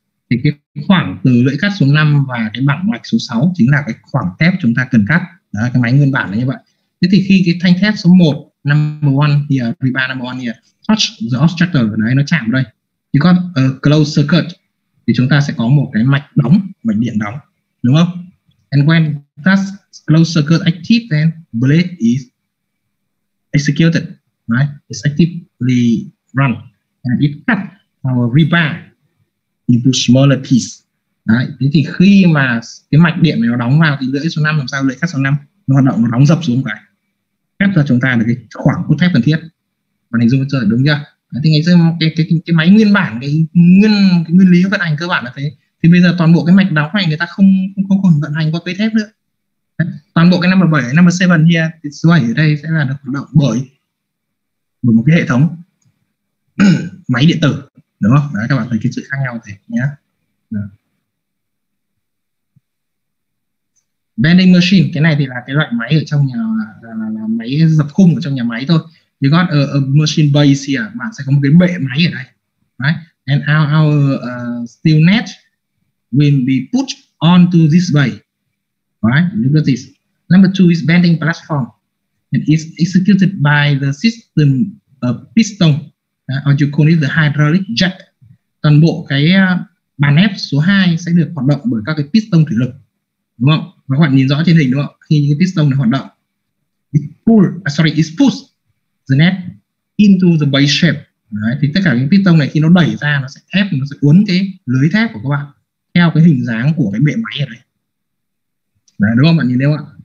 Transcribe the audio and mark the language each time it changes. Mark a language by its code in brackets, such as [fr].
[vi] Thì cái khoảng từ lưỡi cắt số 5 và cái bảng mạch số 6 chính là cái khoảng thép chúng ta cần cắt. Đó, cái máy nguyên bản là như vậy. Thế thì khi cái thanh thép số 1, [en] number 1 here, riva number 1 here, touch the obstructor, [vi] đấy, nó chạm đây. [en] You got a closed circuit, [vi] thì chúng ta sẽ có một cái mạch đóng, mạch điện đóng, đúng không? [en] And when that closed circuit active, then blade is executed, right? It's actively run and it cut our rebar into smaller piece. [vi] Đấy. Thế thì khi mà cái mạch điện này nó đóng vào thì lưỡi số 5 làm sao lưỡi cắt số 5 nó hoạt động, nó đóng dập xuống cái cắt ra chúng ta được cái khoảng cốt thép cần thiết. Và hình dung cho đúng chưa? Thì ngày xưa cái máy nguyên bản, cái nguyên lý vận hành cơ bản là thế. Thì bây giờ toàn bộ cái mạch đóng này người ta không còn vận hành qua cây thép nữa. Toàn bộ cái [en] number 7, number 7 here, [vi] số 7 ở đây sẽ là được hoạt động bởi một cái hệ thống máy điện tử, đúng không? Đấy, các bạn thấy cái sự khác nhau thế nhé. Bending machine, cái này thì là cái loại máy ở trong nhà, là máy dập khung ở trong nhà máy thôi. [en] You got a machine base here, [vi] bạn sẽ có một cái bệ máy ở đây. [en] Right? And our steel net will be put onto this bay. Right, look at this. Number 2 is bending platform. It is executed by the system piston, or you call it the hydraulic jack. [vi] Toàn bộ cái bàn ép số 2 sẽ được hoạt động bởi các cái piston thủy lực. Đúng không? Và các bạn nhìn rõ trên hình đúng không? Khi cái piston này hoạt động, [en] it pushes the net into the base shape. [vi] Đấy, thì tất cả những piston này khi nó đẩy ra, nó sẽ ép, nó sẽ cuốn cái lưới thép của các bạn theo cái hình dáng của cái bệ máy ở đây. Đấy, đúng không? Bạn nhìn thấy không ạ?